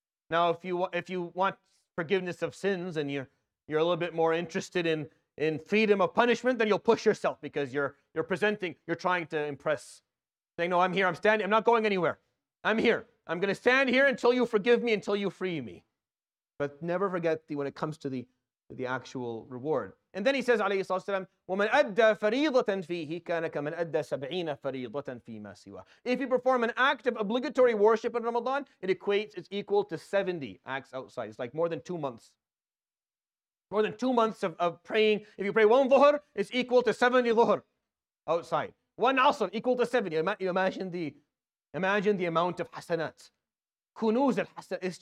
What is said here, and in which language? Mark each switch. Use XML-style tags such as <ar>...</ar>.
<en>Now, if you want forgiveness of sins and you're a little bit more interested in freedom of punishment, then you'll push yourself because you're presenting, you're trying to impress, saying, no, I'm here, I'm standing, I'm not going anywhere. I'm here. I'm going to stand here until you forgive me, until you free me. But never forget when it comes to the actual reward. And then he says,</en> <ar>alayhi salatu wasalam, وَمَنْ أَدَّى فَرِيضَةً فِيهِ كَانَ كَمَنْ أَدَّى سَبْعِينَ فَرِيضَةً فِي مَا سِوَهِ.</ar> <en>If you perform an act of obligatory worship in Ramadan, it's equal to 70 acts outside. It's like more than 2 months. More than 2 months of praying. If you pray one dhuhr, it's equal to 70 dhuhr outside. One asr, equal to 70. Imagine the amount of hasanat. Kunuz al-hasanat.</en>